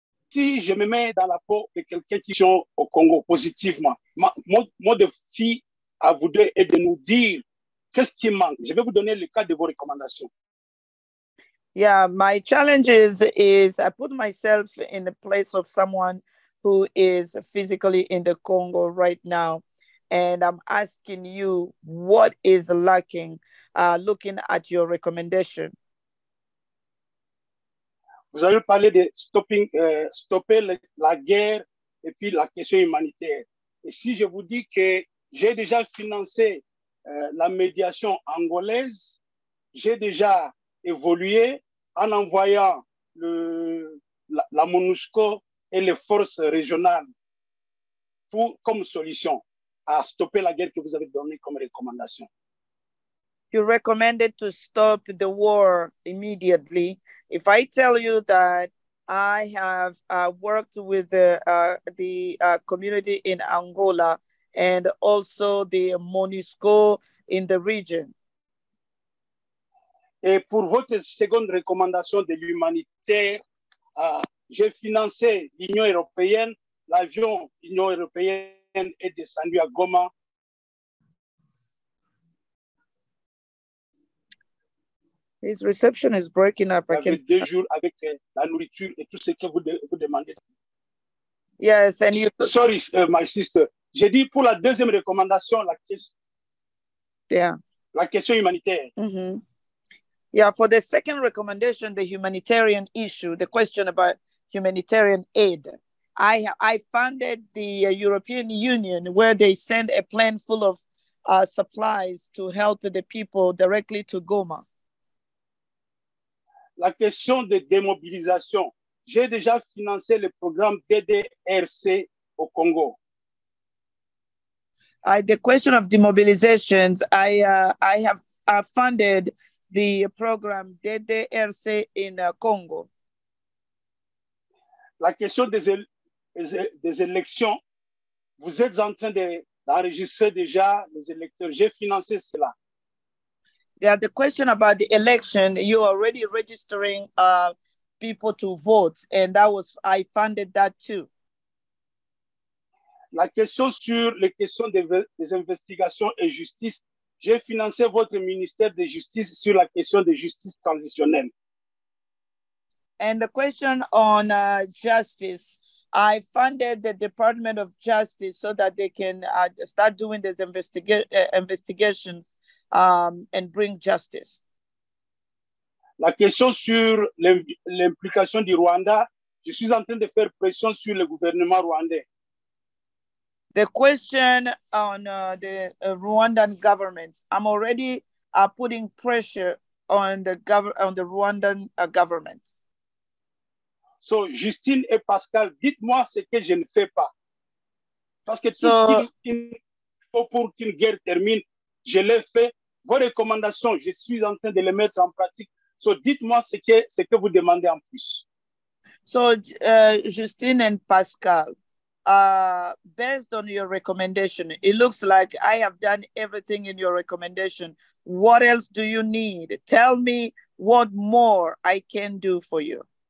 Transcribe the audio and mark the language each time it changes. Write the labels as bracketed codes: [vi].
[fr] Si je me mets dans la peau de quelqu'un qui est au Congo positivement, mon défi à vous deux est de nous dire qu'est-ce qui manque. Je vais vous donner le cadre de vos recommandations. [en] Yeah, my challenge is I put myself in the place of someone who is physically in the Congo right now. And I'm asking you, what is lacking, looking at your recommendation? [fr] Vous avez parlé de stopper la guerre et puis la question humanitaire. Et si je vous dis que j'ai déjà financé la médiation angolaise, j'ai déjà évolué en envoyant la MONUSCO et les forces régionales comme solution à stopper la guerre que vous avez donnée comme recommandation. [en] You recommended to stop the war immediately. If I tell you that I have worked with the community in Angola and also the MONUSCO in the region. [fr] Et pour votre seconde recommandation de l'humanitaire, j'ai financé l'Union européenne. L'avion de l'Union européenne est descendu à Goma. [en] His reception is breaking up. [fr] Avec deux jours avec la nourriture et tout ce que vous demandez. [en] Yes, and you. Sorry, my sister. [fr] J'ai dit pour la deuxième recommandation, la question. [en] Yeah. [fr] La question humanitaire. Mm-hmm. [en] Yeah, for the second recommendation, the humanitarian issue, the question about humanitarian aid. I funded the European Union where they send a plane full of supplies to help the people directly to Goma. [fr] La question de démobilisation. J'ai déjà financé le programme DDRC au Congo. [en] The question of demobilizations, I have funded the program DDRC in Congo. [fr] La question des élections, vous êtes en train d'enregistrer déjà les électeurs. J'ai financé cela. [en] Yeah, the question about the election, you're already registering people to vote, and that was I funded that too. [fr] La question sur les questions des investigations et justice, j'ai financé votre ministère de justice sur la question de justice transitionnelle. [en] And the question on justice, I funded the Department of Justice so that they can start doing these investigations. And bring justice. [fr] La question sur l'implication du Rwanda, je suis en train de faire pression sur le gouvernement rwandais. [en] The question on the Rwandan government, I'm already putting pressure on the Rwandan government. [fr] So Justine et Pascal, dites-moi ce que je ne fais pas. Parce que tout ce qu'il faut pour qu'une guerre termine, je l'ai fait. Vos recommandations, je suis en train de les mettre en pratique. So, dites-moi ce que vous demandez en plus. [en] So, Justine and Pascal, based on your recommendation, it looks like I have done everything in your recommendation. What else do you need? Tell me what more I can do for you.